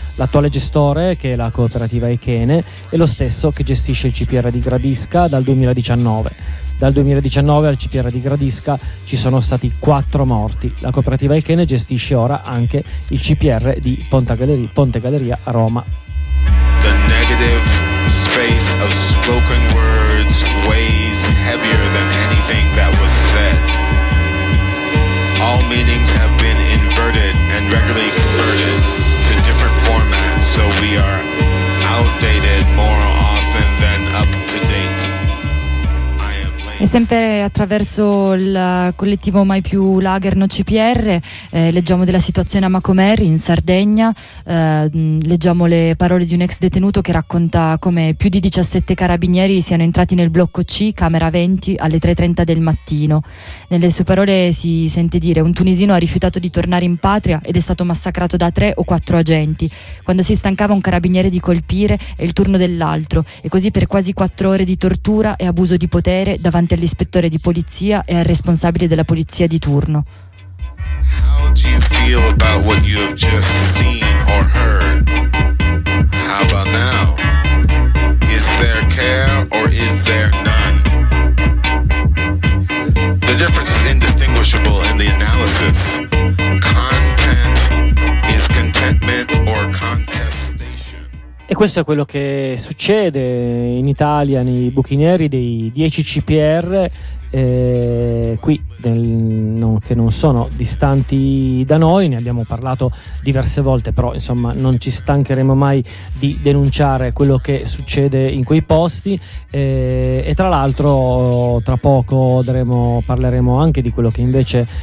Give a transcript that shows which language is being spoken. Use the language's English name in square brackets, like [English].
[Italian] L'attuale gestore, che è la cooperativa Echene, è lo stesso che gestisce il CPR di Gradisca dal 2019. Dal 2019 al CPR di Gradisca ci sono stati 4 morti. La cooperativa Echene gestisce ora anche il CPR di Ponte Galleria a Roma. [English] The negative space of spoken words weighs heavier than anything that was said. All meanings have been inverted and regularly converted to different formats, so we are outdated more often than up to date. [Italian] E sempre attraverso il collettivo Mai più Lager no CPR leggiamo della situazione a Macomer in Sardegna. Leggiamo le parole di un ex detenuto che racconta come più di 17 carabinieri siano entrati nel blocco C, camera 20, alle 3:30 del mattino. Nelle sue parole si sente dire: un tunisino ha rifiutato di tornare in patria ed è stato massacrato da 3 o 4 agenti. Quando si stancava un carabiniere di colpire, è il turno dell'altro, e così per quasi 4 ore di tortura e abuso di potere davanti all'ispettore di polizia e al responsabile della polizia di turno. [English] How do you feel? feel about what you have just seen or heard? How about now? Is there care or is there none? The difference is indistinguishable in the analysis. Content is contentment or contestation. [Italian] E questo è quello che succede in Italia nei buchi neri dei 10 CPR. Qui nel, non, che non sono distanti da noi, ne abbiamo parlato diverse volte, però insomma non ci stancheremo mai di denunciare quello che succede in quei posti, e tra l'altro tra poco parleremo anche di quello che invece